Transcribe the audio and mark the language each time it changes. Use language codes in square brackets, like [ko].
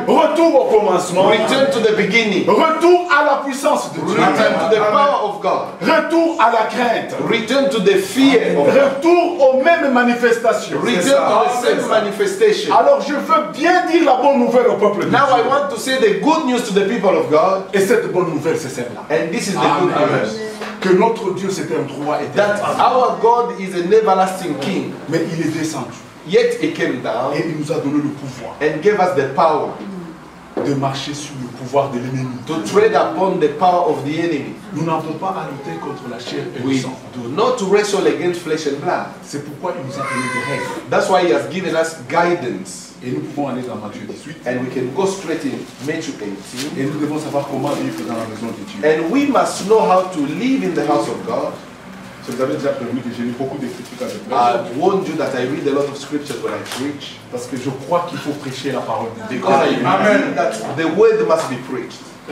[fr] Retour au commencement. [en] Return to the beginning. [fr] Retour à la puissance de [en] Return [fr] Dieu. [en] Return to the power of God. [fr] Retour à la crainte. [en] Return to the fear. [fr] Retour aux mêmes manifestations. [en] Return to the same manifestation. [fr] Alors je veux bien dire la bonne nouvelle au peuple de [en] Now [fr] Dieu. [en] I want to say the good news to the people of God. [fr] Et cette bonne nouvelle c'est celle-là. [en] And this is the good news. [fr] Que notre Dieu c'est un droit éternel. [en] That our God is an everlasting King. [fr] Mais il est descendu. [en] Yet he came down. [fr] Et il nous a donné le pouvoir. [en] And gave us the power. [fr] De marcher sur le pouvoir de l'ennemi. [en] To tread upon the power of the enemy. [fr] Nous n'avons pas à lutter contre la chair et [en] We [fr] le sang. [en] Do not wrestle against flesh and blood. [fr] C'est pourquoi il nous a donné des règles. [en] That's why he has given us guidance. [fr] Et nous pouvons aller dans Matthieu 18. [en] And we can go straight in Matthew 18. [fr] Et nous devons savoir comment vivre dans la maison de Dieu. [en] And we must know how to live in the house of God. [fr] Je vous avais déjà promis que j'ai lu beaucoup d'écritures quand je [en] prêche. I warned you that I read a lot of scriptures when I preach. [fr] Parce que je crois qu'il faut prêcher la parole de Dieu. [en] Because I mean that the word must be preached.